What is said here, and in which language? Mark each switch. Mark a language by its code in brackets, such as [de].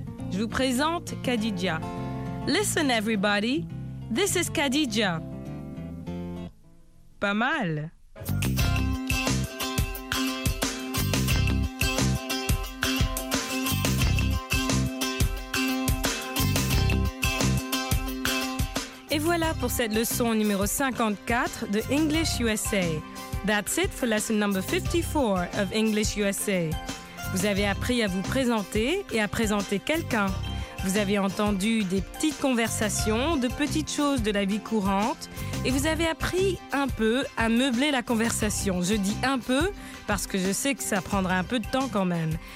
[fr] Je vous présente Khadija. « [en] Listen, everybody, this is Khadija. [fr] » Pas mal. Et voilà pour cette leçon numéro 54 de English USA. [en] That's it for lesson number 54 of English USA. [fr] Vous avez appris à vous présenter et à présenter quelqu'un. Vous avez entendu des petites conversations, de petites choses de la vie courante et vous avez appris un peu à meubler la conversation. Je dis un peu parce que je sais que ça prendra un peu de temps quand même.